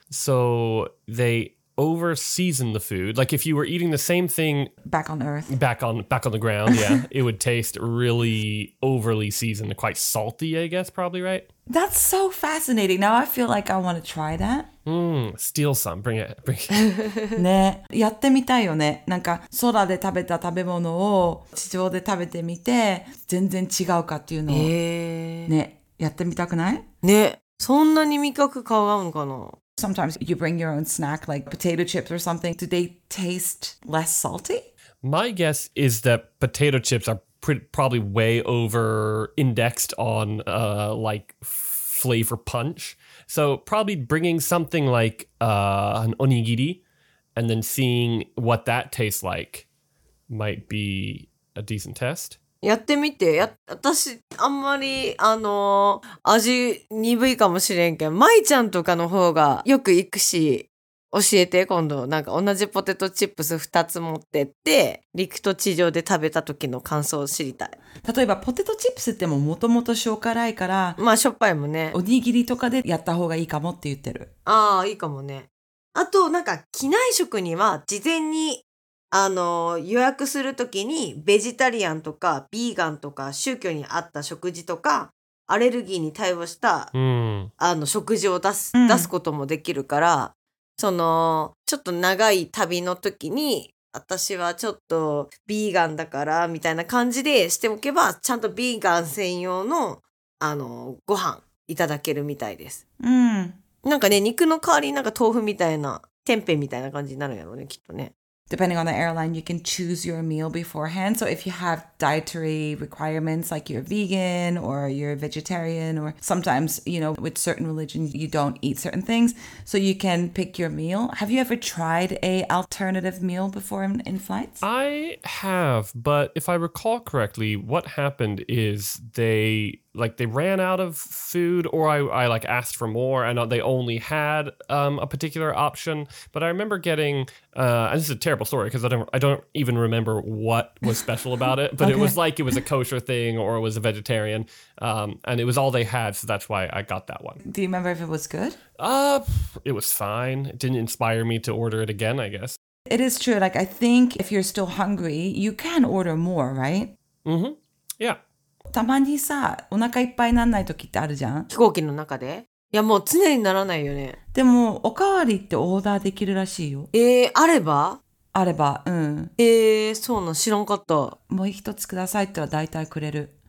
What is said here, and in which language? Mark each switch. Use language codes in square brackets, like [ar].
[en] So they over season the food. Like if you were eating the same thing back on earth, back on the ground, yeah, it would taste really overly seasoned, quite salty, I guess, probably, right? That's so fascinating. Now I feel like I want to try that. Steal some, bring it. [ja] ね、やってみたいよね。なんか空で食べた食べ物を地上で食べてみて全然違うかっていうのを、ね、やってみたくない？ね、そんなに味覚変わるのかな。 [en] Sometimes you bring your own snack, like potato chips or something. Do they taste less salty? My guess is that potato chips are probably way over indexed on flavor punch. So probably bringing something like an onigiri and then seeing what that tastes like might be a decent test. [ja] やってみて。私あんまり味鈍いかもしれんけど、舞ちゃんとかの方がよく行くし、教えて今度なんか同じポテトチップス2つ持ってって陸と地上で食べた時の感想を知りたい。例えばポテトチップスってももともと塩辛いから、まあしょっぱいもね、おにぎりとかでやった方がいいかもって言ってる。ああ、いいかもね。あとなんか機内食には事前に予約するときにベジタリアンとかビーガンとか宗教に合った食事とかアレルギーに対応した、食事を出すこともできるから、そのちょっと長い旅の時に私はちょっとビーガンだからみたいな感じでしておけば、ちゃんとビーガン専用のご飯いただけるみたいです。うん、なんかね、肉の代わりになんか豆腐みたいな、テンペみたいな感じになるんやろうね、きっとね。 [en] Depending on the airline, you can choose your meal beforehand. So if you have dietary requirements, like you're vegan or you're vegetarian, or sometimes, you know, with certain religions, you don't eat certain things. So you can pick your meal. Have you ever tried an alternative meal before in flights? I have, but if I recall correctly, what happened is they ran out of food, or I like asked for more, and they only had a particular option. But I remember getting, and this is a terrible story because I don't even remember what was special about it, but okay. It was like it was a kosher thing or it was a vegetarian, and it was all they had, so that's why I got that one. Do you remember if it was good? It was fine. It didn't inspire me to order it again, I guess. It is true. Like, I think if you're still hungry, you can order more, right? Mm-hmm. Yeah. [ja] たまにさ、お腹いっぱいなんない時ってあるじゃん、飛行機の中で。いや、もう常にならないよね。でもおかわりってオーダーできるらしいよ。あれば？あれば、うん。そうなの、知らんかった。もう一つくださいって言ったら大体くれる。